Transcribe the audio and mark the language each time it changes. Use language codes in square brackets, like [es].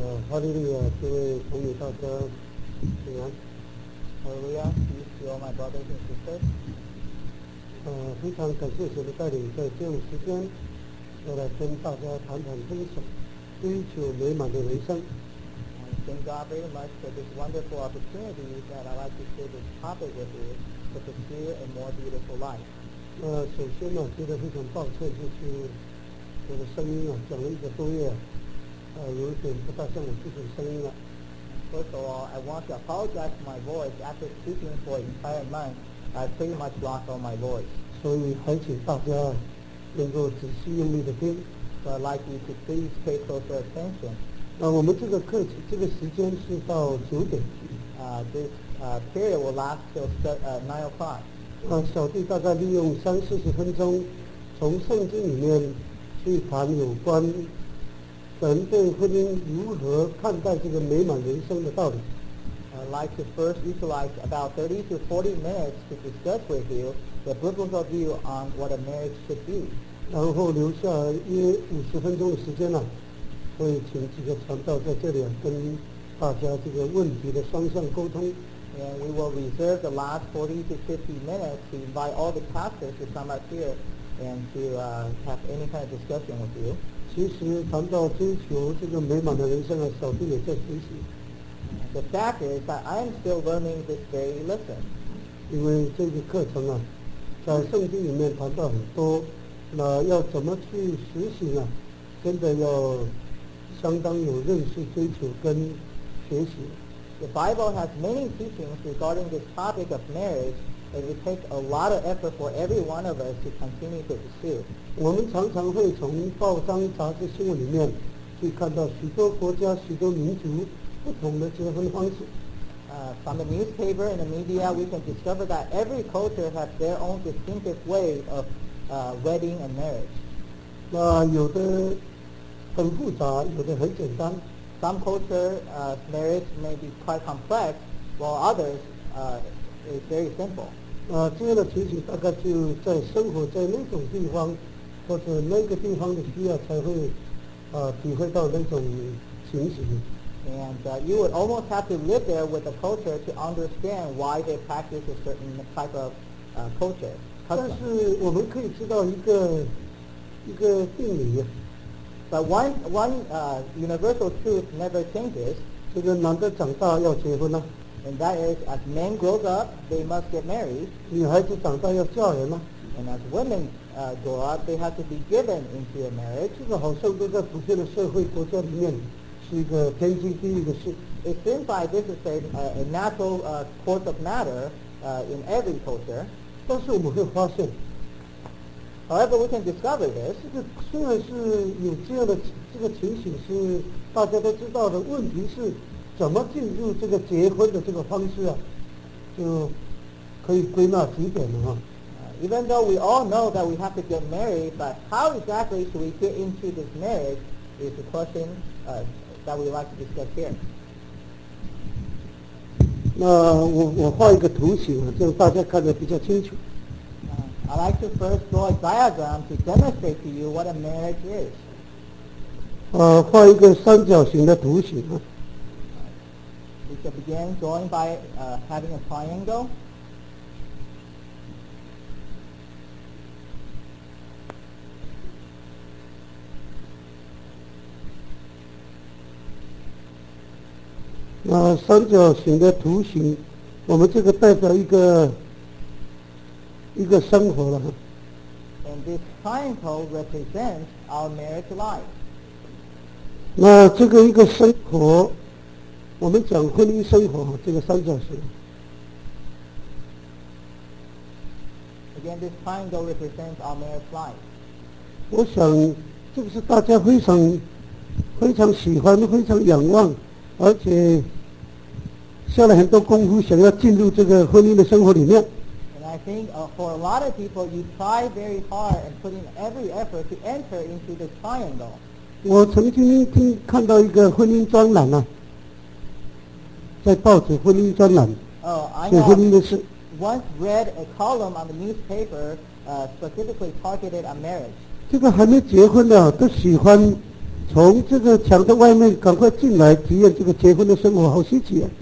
[zh] 哈利路亚，这位从你上车，平安。 [en] 哈利路亚，peace to all my brothers and sisters。 [zh] 非常感谢神的带领，在这样时间，要来跟大家谈谈分享，追求美满的人生。 [en] Thank God very much for this wonderful opportunity that I'd like to share this topic with you to pursue a more beautiful life. [zh] 首先呢，觉得非常抱歉，就是我的声音啊，讲了一个多月。有点不大像我自己的声音了。 [en] First of all, I want to apologize for my voice. After speaking for an entire month, I pretty much lost all my voice. [zh] 所以还请大家能够仔细用力的听。 [en] So I'd like you to please pay closer attention. [zh] 我们这个课这个时间是到九点。 [en] This period will last till 9 o'clock. [zh] 小弟大概利用三四十分钟，从圣经里面去谈有关。人对婚姻如何看待这个美满人生的道理 [en] I'd like to first utilize about 30 to 40 minutes to discuss with you the biblical view on what a marriage should be [zh] 然后留下约50分钟的时间所以请几个传道在这里跟大家这个问题的双向沟通 [en] And we will reserve the last 40 to 50 minutes to invite all the pastors to come up here and to have any kind of discussion with you [zh] 其实谈到追求这个美满的人生小弟也在学习 [en] The fact is that I am still learning this very lesson [zh] 因为这个课程在圣经里面谈到很多那要怎么去实行真的要相当有认识追求跟学习 [en] The Bible has many teachings regarding this topic of marriage and it takes a lot of effort for every one of us to continue to pursue [zh] 我们常常会从报章杂志新闻里面去看到许多国家许多民族不同的结婚方式 [en] From the newspaper and the media we can discover that every culture has their own distinctive way of wedding and marriage [zh] 那有的很复杂有的很简单 [en] Some culture marriage may be quite complex while others is very simple [zh] 这样的情形大概就在生活在那种地方或者那个地方的需要才会体会到那种情形 [en] and you would almost have to live there with the culture to understand why they practice a certain type of culture [zh] 但是我们可以知道一个定理 [en] but universal truth never changes [zh] 这个男的长大要结婚 [en] and that is as men grow up they must get married [zh] 女孩子长大要嫁人 [en] and as womengrow up, they have to be given into a marriage. [zh] 这个好像都在普遍的社会国家里面是一个天经地义的事。 [en] It seems like this is a natural course of matter in every culture. [zh] 但是我们会发现 [en] However, we can discover this. [zh] 这个虽然是有这样的这个情形是大家都知道的，问题是怎么进入这个结婚的这个方式就可以归纳几点了 [en] Even though we all know that we have to get married, but how exactly should we get into this marriage is the question that we'd like to discuss here. [zh] 那我画一个图形，这样大家看得比较清楚。 [en] I'd like to first draw a diagram to demonstrate to you what a marriage is. [zh] 画一个三角形的图形。 [en] We can begin drawing by having a triangle. [zh] 那三角形的图形我们这个代表一个生活了 [en] And this triangle represents our marriage life [zh] 那这个一个生活我们讲婚姻生活这个三角形 [en] Again this triangle represents our marriage life [zh] 我想这个是大家非常非常喜欢非常仰望而且下了很多功夫想要进入这个婚姻的生活里面 [en] and I think for a lot of people you try very hard and put in every effort to enter into the triangle [zh] 我曾经看到一个婚姻专栏在报纸婚姻专栏写婚姻的事 [en] once read a column on the newspaper specifically targeted at marriage [zh] 这个还没结婚的都喜欢从这个墙的外面赶快进来体验这个结婚的生活，好稀奇啊。